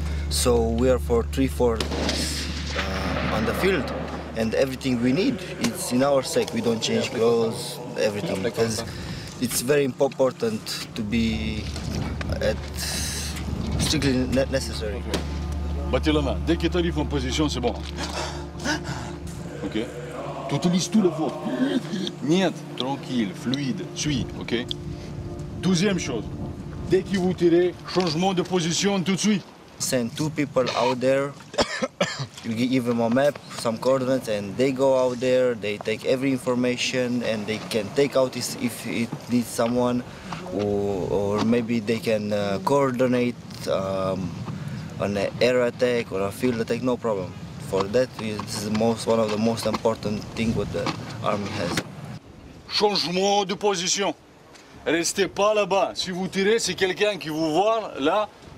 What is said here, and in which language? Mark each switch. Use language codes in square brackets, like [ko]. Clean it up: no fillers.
[en] So we are for 3-4 days on the field. And everything we need, it's in our sack. We don't change clothes, everything. Because it's very important to be at strictly necessary. [fr] Battez la main. Dès que tu arrives en position, c'est bon. OK. Tu utilises tout le vent. Niet. Tranquille, fluide, suis, OK. Deuxième chose. Dès que vous tirez, changement de position tout de suite. [en] Send 2 people out there. You give them a map, some coordinates, and they go out there, they take every information, and they can take out if it needs someone, or maybe they can coordinate an air attack or a field attack, no problem. For that, this is one of the most important things what the army has. [fr] Changement de position. Restez pas là-bas. Si vous tirez, c'est quelqu'un qui vous voit là.